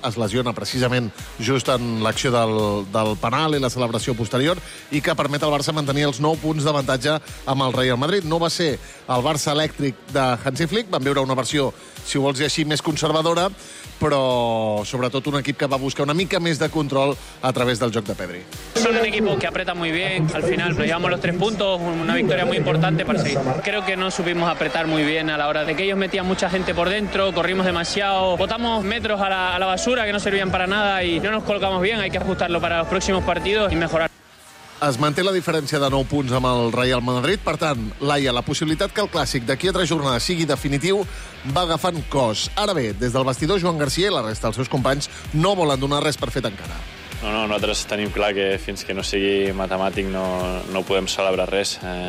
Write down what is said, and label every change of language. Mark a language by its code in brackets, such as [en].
[ca] Es lesiona precisament just en l'acció del penal i la celebració posterior, i que permet al Barça mantenir els 9 punts d'avantatge amb el Real Madrid. No va ser el Barça elèctric de Hansi Flick, van veure una versió, si ho vols dir així, més conservadora, però sobretot un equip que va buscar una mica més de control a través del joc de Pedri. [es] Son un equipo que aprieta muy bien al final, pero llevamos los 3 puntos, una victoria muy importante para seguir. Creo que no supimos apretar muy bien a la hora de que ellos metían mucha gente por dentro, corrimos demasiado, botamos metros a la basura que no servían para nada y no nos colocamos bien, hay que ajustarlo para los próximos partidos y mejorar. [ca] Es manté la diferència de 9 punts amb el Real Madrid. Per tant, Laia, la possibilitat que el clàssic d'aquí a 3 jornades sigui definitiu va agafant cos. Ara bé, des del vestidor, Joan Garcia i la resta dels seus companys no volen donar res per fet encara. No, nosaltres tenim clar que fins que no sigui matemàtic no podem celebrar res.